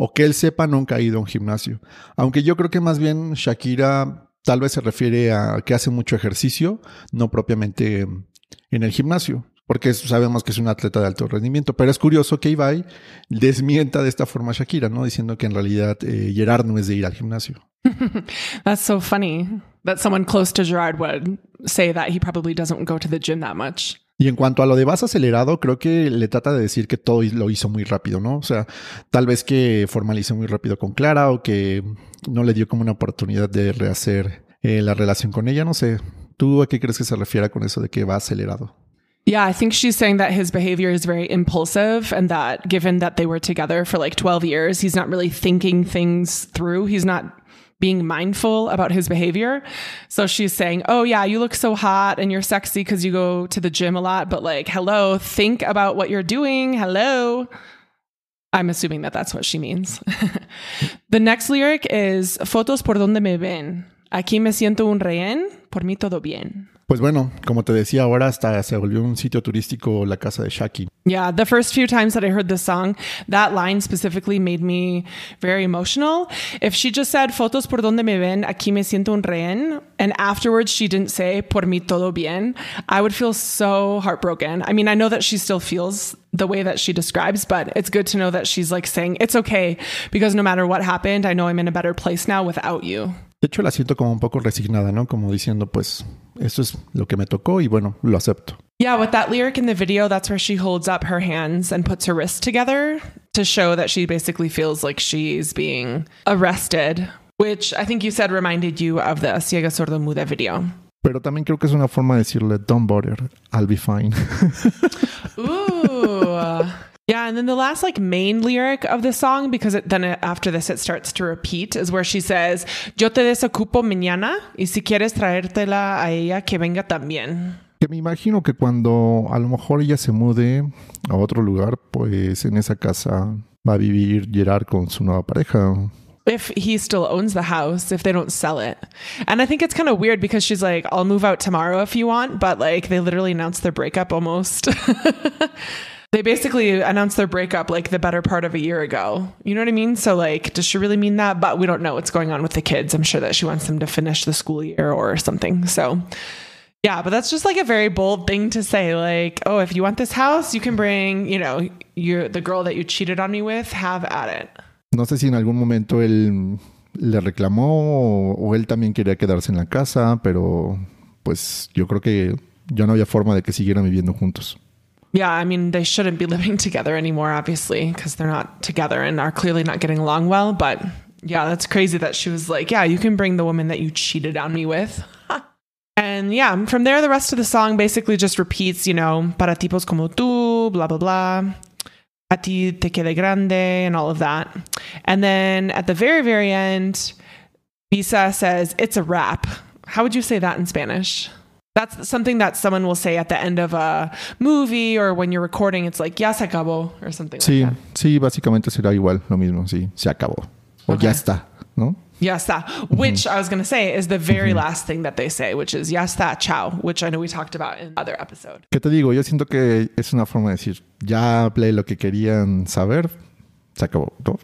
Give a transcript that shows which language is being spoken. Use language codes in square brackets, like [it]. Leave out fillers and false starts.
[es] O que él sepa, nunca ha ido a un gimnasio. Aunque yo creo que más bien Shakira tal vez se refiere a que hace mucho ejercicio, no propiamente en el gimnasio. Porque sabemos que es un atleta de alto rendimiento. Pero es curioso que Ibai desmienta de esta forma a Shakira, ¿no? Diciendo que en realidad Gerard no es de ir al gimnasio. [en] That's so funny that someone close to Gerard would say that he probably doesn't go to the gym that much. [es] Y en cuanto a lo de vas acelerado, creo que le trata de decir que todo lo hizo muy rápido, ¿no? O sea, tal vez que formalice muy rápido con Clara o que no le dio como una oportunidad de rehacer la relación con ella. No sé, ¿tú a qué crees que se refiera con eso de que va acelerado? [en] Yeah, I think she's saying that his behavior is very impulsive and that given that they were together for like 12 years, he's not really thinking things through. He's not being mindful about his behavior. So she's saying, oh yeah, you look so hot and you're sexy because you go to the gym a lot, but like, hello, think about what you're doing. Hello. I'm assuming that that's what she means. The next lyric is [es] fotos por donde me ven. Aquí me siento un rehén, por mí todo bien. Pues bueno, como te decía, ahora hasta se volvió un sitio turístico la casa de Shaki. [en] Yeah, the first few times that I heard the song, that line specifically made me very emotional. If she just said, [es] fotos por donde me ven, aquí me siento un rehén, [en] and afterwards she didn't say, [es] por mí todo bien, [en] I would feel so heartbroken. I mean, I know that she still feels the way that she describes, but it's good to know that she's like saying, it's okay, because no matter what happened, I know I'm in a better place now without you. [es] De hecho, la siento como un poco resignada, ¿no? Como diciendo, pues, eso es lo que me tocó y bueno, lo acepto. [en] Yeah, with that lyric in the video, that's where she holds up her hands and puts her wrists together to show that she basically feels like she's being arrested, which I think you said reminded you of the Ciega Sordo Muda video. [es] Pero también creo que es una forma de decirle, [en] don't bother, I'll be fine. Ooh. Yeah, and then the last like main lyric of the song, because after this it starts to repeat, is where she says, [es] yo te desocupo mañana y si quieres traértela a ella que venga también. Que me imagino que cuando a lo mejor ella se mude a otro lugar, pues en esa casa va a vivir Gerard con su nueva pareja. [en] If he still owns the house, if they don't sell it. And I think it's kind of weird because she's like, I'll move out tomorrow if you want, but like they literally announced their breakup almost. They basically announced their breakup like the better part of a year ago. You know what I mean? So like, does she really mean that? But we don't know what's going on with the kids. I'm sure that she wants them to finish the school year or something. So yeah, but that's just like a very bold thing to say. Like, oh, if you want this house, you can bring, you know, you're the girl that you cheated on me with, have at it. [es] No sé si en algún momento él le reclamó o él también quería quedarse en la casa, pero pues yo creo que ya no había forma de que siguieran viviendo juntos. [en] Yeah, I mean, they shouldn't be living together anymore, obviously, because they're not together and are clearly not getting along well. But yeah, that's crazy that she was like, yeah, you can bring the woman that you cheated on me with. And yeah, from there, the rest of the song basically just repeats, you know, [es] para tipos como tú, [en] blah, blah, blah. [es] A ti te quede grande [en] and all of that. And then at the very, very end, Visa says, it's a wrap. How would you say that in Spanish? That's something that someone will say at the end of a movie or when you're recording. It's like, [es] ya se acabó [en] or something [es] sí, [en] like that. [es] Sí, básicamente será igual, lo mismo. Sí, se acabó. Okay. O ya está, ¿no? Ya está. [en] Which I was going to say is the very last thing that they say, which is [es] ya está, chao. [en] Which I know we talked about in other episode. [es] ¿Qué te digo? Yo siento que es una forma de decir, ya hablé lo que querían saber, se acabó, ¿no?